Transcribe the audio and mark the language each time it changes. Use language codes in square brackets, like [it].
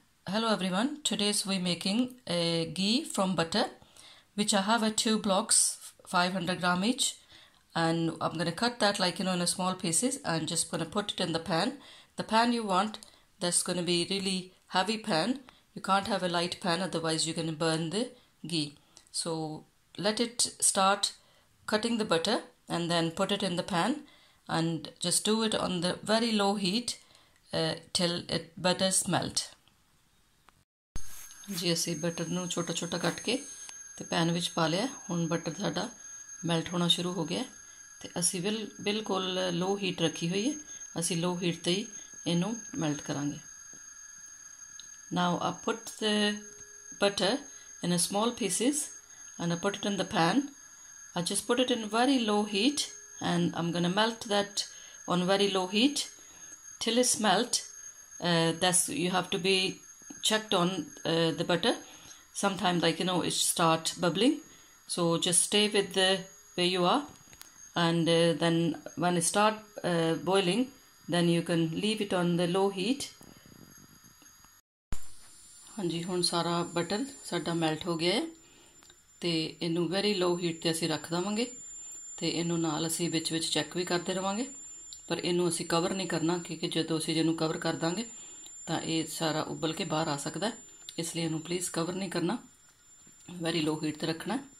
[en] Hello everyone, today is we making a ghee from butter which I have a two blocks 500 gram each and I am going to cut that like you know in small pieces and just going to put it in the pan. The pan you want that's going to be really heavy pan, you can't have a light pan otherwise you can burn the ghee. So let it start cutting the butter and then put it in the pan and just do it on the very low heat till it butter melt. [pa] ਜੀ ਅਸੀਂ butter ਨੂੰ ਛੋਟਾ ਛੋਟਾ ਕੱਟ ਕੇ ਅਤੇ PAN ਵਿੱਚ ਪਾ ਲਿਆ। ਹੁਣ ਬਟਰ ਸਾਡਾ ਮੈਲਟ ਹੋਣਾ ਸ਼ੁਰੂ ਹੋ ਗਿਆ ਅਤੇ ਅਸੀਂ ਬਿਲਕੁਲ ਲੋ ਹੀਟ ਰੱਖੀ ਹੋਈ ਹੈ। ਅਸੀਂ ਲੋ ਹੀਟ 'ਤੇ ਹੀ ਇਹਨੂੰ ਮੈਲਟ ਕਰਾਂਗੇ। [en] Now I put the butter in a small pieces and I put it in the pan. I just put it in very low heat and I'm going to melt that on very low heat till it's melt. That's you have to be checked on the butter sometimes, like you know it start bubbling, so just stay with the where you are and then when it start boiling then you can leave it on the low heat. [pa] ਹਾਂਜੀ, ਹੁਣ ਸਾਰਾ butter ਸਾਡਾ melt ਹੋ ਗਿਆ ਹੈ ਅਤੇ ਇਹਨੂੰ very ਲੋ heat 'ਤੇ ਅਸੀਂ ਰੱਖ ਦੇਵਾਂਗੇ ਅਤੇ ਇਹਨੂੰ ਨਾਲ ਅਸੀਂ ਵਿੱਚ ਵਿੱਚ ਚੈੱਕ ਵੀ ਕਰਦੇ ਰਵਾਂਗੇ। ਪਰ ਇਹਨੂੰ ਅਸੀਂ ਕਵਰ ਨਹੀਂ ਕਰਨਾ, ਕਿਉਂਕਿ ਜਦੋਂ ਅਸੀਂ ਇਹਨੂੰ ਕਵਰ ਕਰ ਦਾਂਗੇ ਤਾਂ ਇਹ ਸਾਰਾ ਉੱਬਲ ਕੇ ਬਾਹਰ ਆ ਸਕਦਾ, ਇਸ ਲਈ ਇਹਨੂੰ ਪਲੀਜ਼ ਕਵਰ ਨਹੀਂ ਕਰਨਾ, ਵੈਰੀ ਲੋ ਹੀਟ 'ਤੇ ਰੱਖਣਾ।